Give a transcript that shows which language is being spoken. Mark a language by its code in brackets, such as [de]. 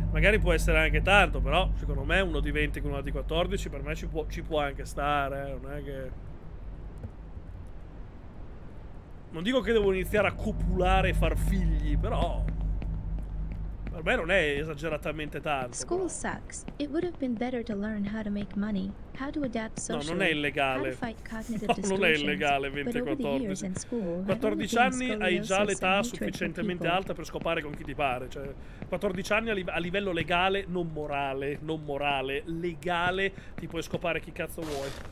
[it] Magari può essere anche tanto, però secondo me uno di 20 con una di 14 per me ci può anche stare, non è che. Non dico che devo iniziare a copulare e far figli, però. Per me non è esageratamente tanto. [en] School sucks. It would have been better to learn how to make money, how to adapt socially. [it] No, non è illegale. Non è illegale 20-14. 14 anni hai già l'età sufficientemente alta per scopare con chi ti pare. Cioè, 14 anni a livello legale, non morale, legale, ti puoi scopare chi cazzo vuoi.